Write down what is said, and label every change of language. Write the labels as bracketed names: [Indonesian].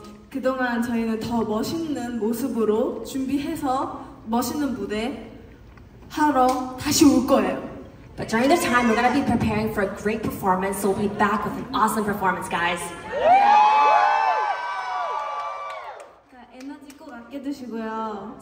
[Korean] 그동안 저희는 더 멋있는 모습으로 준비해서 멋있는 무대 하러 다시 올 거예요. [English] But during this time, we're going to be preparing for a great performance, so we'll be back with an awesome performance, guys. [Korean] 에너지 꼭 아껴두시고요.